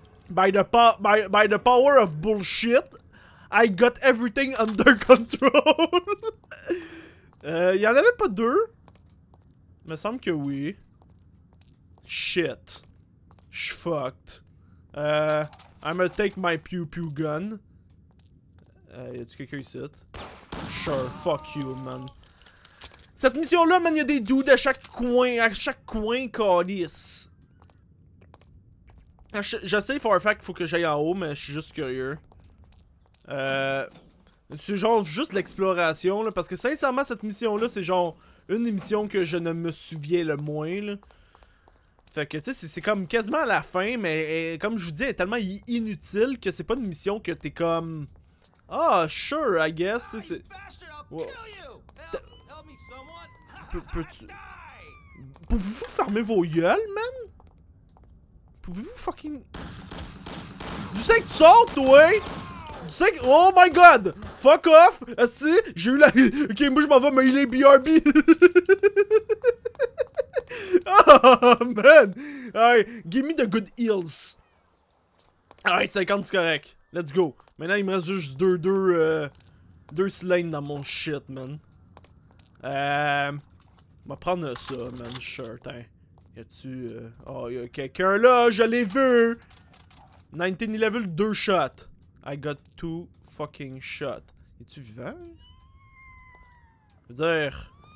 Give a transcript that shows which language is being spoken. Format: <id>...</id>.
<en>By the power of bullshit, I got everything under control.</en> <fr>y'en avait pas deux? Me semble que oui. Shit. J'suis fucked.</fr> <en>I'm gonna take my pew-pew gun.</en> <fr>Y'a-tu quelqu'un ici?</fr> <en>Sure, fuck you, man.</en> <fr>Cette mission-là, man, y'a des dudes à chaque coin. À chaque coin, calice. Je sais,</fr> <en>for a fact,</en> <fr>faut que j'aille en haut, mais je suis juste curieux. C'est genre juste l'exploration, là. Parce que sincèrement, cette mission-là, c'est genre une émission que je ne me souviens le moins, là. Fait que, tu sais, c'est comme quasiment à la fin, mais comme je vous dis, elle est tellement inutile que c'est pas une mission que t'es comme...</fr> <en>Ah, oh, sure, I guess. C'est...</en> <fr>Peux-tu... Pouvez-vous fermer vos gueules, man? Pouvez-vous fucking... Tu sais que tu sors, toi? Tu sais que...</fr> <en>Oh my god! Fuck off!</en> <fr>Si, j'ai eu la... Ok, moi je m'en vais, mais il est BRB!</fr> <en>Oh man! Alright, give me the good heals. Alright, 50</en> <fr>c'est correct.</fr> <en>Let's go.</en> <fr>Maintenant il me reste juste deux cylindres dans mon shit, man. On va prendre ça, man. Sure, tiens. Y'a-tu... Oh, y'a quelqu'un là, je l'ai vu! 1911, deux shots.</fr> <en>I got two fucking shots.</en> <fr>Y'es-tu vivant? Je veux dire...</fr>